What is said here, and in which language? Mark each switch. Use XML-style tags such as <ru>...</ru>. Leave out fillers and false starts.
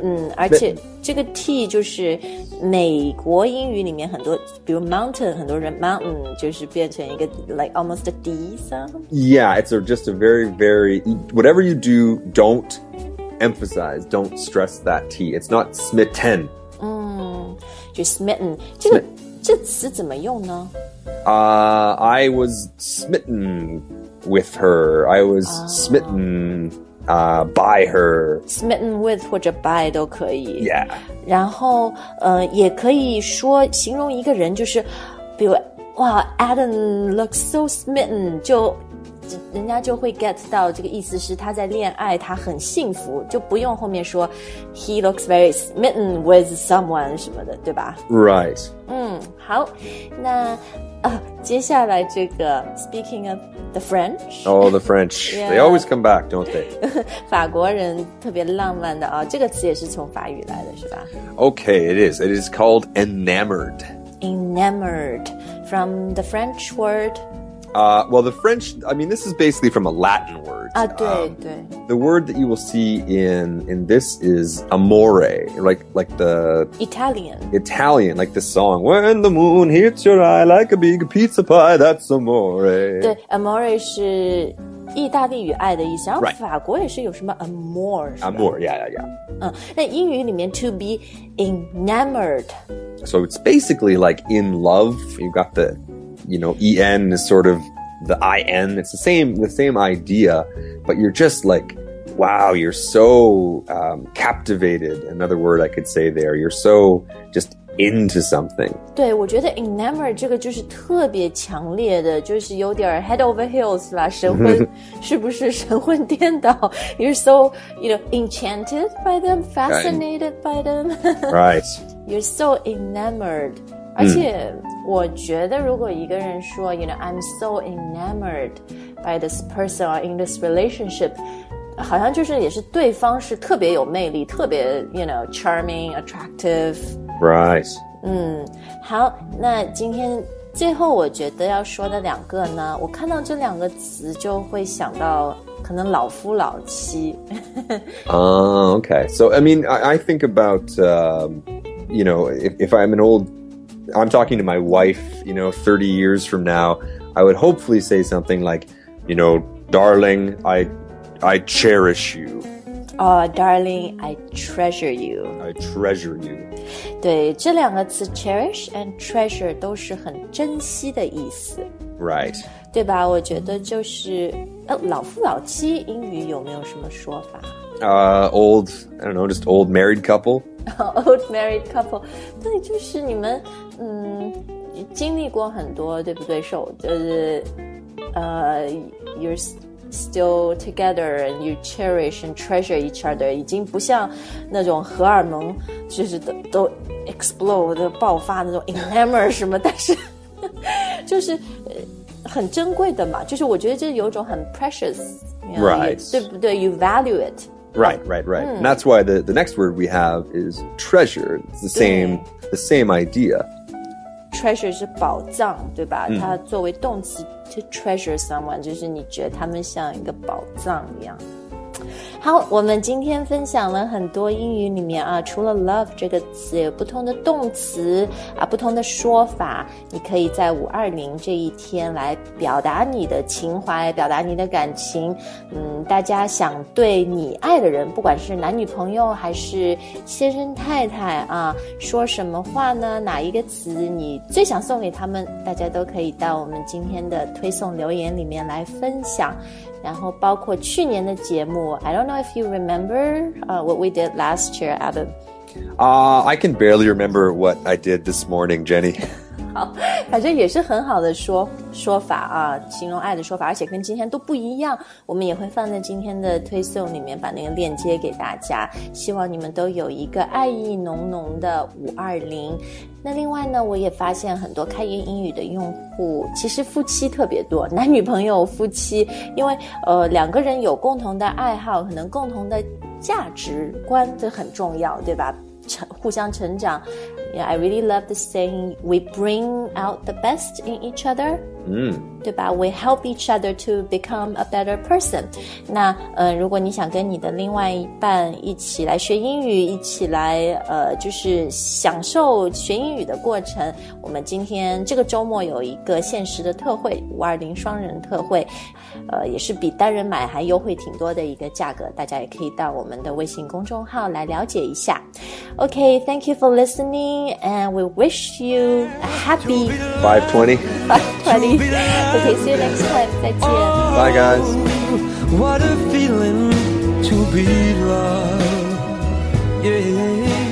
<zh>Smitten, 而且这个 T 就是美国英语里面很多比如 mountain 很多人 mountain 就是变成一个</zh> <en>like almost a D sound. Yeah, it's just a very, very, whatever you do, don't emphasize, don't stress that T. It's not smitten.</en> <zh>就 smitten. 这个 这词怎么用呢?</zh> <en>I was smitten with her. I was smitten. By her.</en> <zh>Smitten with 或者 by 都可以。</zh> <en>Yeah.</en> <zh>然后也可以说形容一个人就是比如哇</zh> <en>Adam looks so smitten,</en> <zh>就人家就会 get 到这个意思是他在恋爱他很幸福就不用后面说</zh> <en>he looks very smitten with someone</en> <zh>什么的对吧</zh> <en>Right.</en> <zh>好那接下来这个</zh> <en>speaking of the French. Oh, the French. Yeah. They always come back, don't they?</en> <zh>法国人特别浪漫的这个词也是从法语来的是吧</zh> <en>Okay, it is. It is called enamored. Enamored. From the French word... Well, the French, I mean, this is basically from a Latin word.</en> <zh>对。</zh> <en>The word that you will see in this is amore, like the... Italian, like the song. When the moon hits your eye like a big pizza pie, that's amore.</en> <zh>对 ,amore 是意大利语爱的意思。</zh> <en>Right.</en> <zh>法国也是有什么 amore, 是吧</zh> <en>?Amore, yeah.</en> <zh>那英语里面 to be enamored.</zh> <en>So it's basically like in love, you've got the... You know, EN is sort of the IN. It's the same idea, but you're just like, wow, you're so, captivated. Another word I could say there. You're so just into something.</en> <zh>对，我觉得 enamored 这个就是特别强烈的，就是有点</zh> <en>head over heels</en> <zh>啦，神魂是不是神魂颠倒 ?</zh> <en>You're so, you know, enchanted by them, fascinated by them. Right. You're so enamored.</en> <zh>而且我觉得如果一个人说</zh> <en>you know, I'm so enamored by this person or in this relationship,</en> <zh>好像就是也是对方是特别有魅力，特别</zh> <en>you know charming, attractive. Right.</en> <zh>好，那今天最后我觉得要说的两个呢，我看到这两个词就会想到可能老夫老妻。</zh> <en>okay. So I mean, I think about, you know, if I'm an old, I'm talking to my wife, you know, 30 years from now, I would hopefully say something like, you know, darling, I cherish you. Oh, darling, I treasure you. I treasure you.</en> <zh>对，这两个词 cherish and treasure 都是很珍惜的意思。</zh> <en>Right.</en> <zh>对吧？我觉得就是，老夫老妻英语有没有什么说法？</zh> <en>Old, I don't know, just old married couple. Old married couple.</en> <zh>对，就是你们，经历过很多，对不对？</zh> <en>You're still together and you cherish and treasure each other.</en> <zh>已经不像那种荷尔蒙，就是都 explode 爆发那种 enamor 什么，但是就是很珍贵的嘛。就是我觉得这有种很 precious,</zh> <en>right?</en> <zh>对不对？</zh> <en>You value it. Right, right, right.、And that's why the next word we have is treasure. It's the same idea.</en> <zh>Treasure 是宝藏，对吧？它作为动词 to treasure someone, 就是你觉得他们像一个宝藏一样。好，我们今天分享了很多英语里面啊，除了 love 这个词，有不同的动词啊，不同的说法，你可以在520这一天来表达你的情怀，表达你的感情。大家想对你爱的人，不管是男女朋友还是先生太太啊，说什么话呢？哪一个词你最想送给他们？大家都可以到我们今天的推送留言里面来分享。然后包括去年的节目</zh> <en>I don't know if you remember what we did last year, Adam. I can barely remember what I did this morning, Jenny.</en> <zh>好，反正也是很好的说法啊，形容爱的说法，而且跟今天都不一样。我们也会放在今天的推送里面，把那个链接给大家。希望你们都有一个爱意浓浓的520。那另外呢，我也发现很多开言英语的用户，其实夫妻特别多，男女朋友夫妻，因为两个人有共同的爱好，可能共同的价值观都很重要，对吧？互相成长。</zh> <en>Yeah, I really love the saying, we bring out the best in each other.</en> <zh>对吧？</zh> <en>We help each other to become a better person.</en> <zh>那如果你想跟你的另外一半一起来学英语，一起来就是享受学英语的过程，我们今天这个周末有一个限时的特惠，520双人特惠，也是比单人买还优惠挺多的一个价格，大家也可以到我们的微信公众号来了解一下。</zh> <en>OK, thank you for listening. And we wish you a happy 520. Okay, see you next time.</en> <zh>再见</zh> <en>Bye, guys. What a feeling to be loved. Yeah.</en>